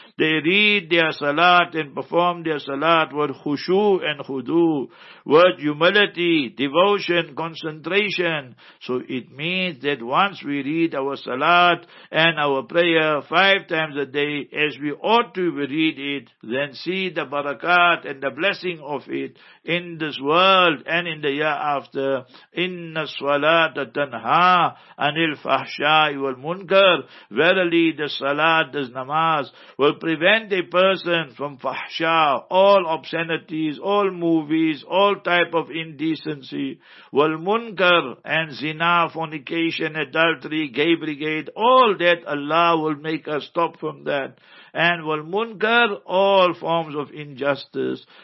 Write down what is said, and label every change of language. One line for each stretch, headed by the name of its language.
English: They read their salat and perform their salat with khushu and khudu, with humility, devotion, concentration. So it means that once we read our salat and our prayer 5 times a day as we ought to read it, then see the barakat and the blessing of it in this world and in the year after.
Arabic: إِنَّ الصَّلَاتَ تَنْهَى عَنِ الْفَحْشَى will munkar.
English: Verily the salat, this namaz, will prevent a person from fahsha, all obscenities, all movies, all type of indecency, will munkar and zina, fornication, adultery, gay brigade, all that Allah will make us stop from that, and will munkar all forms of injustice.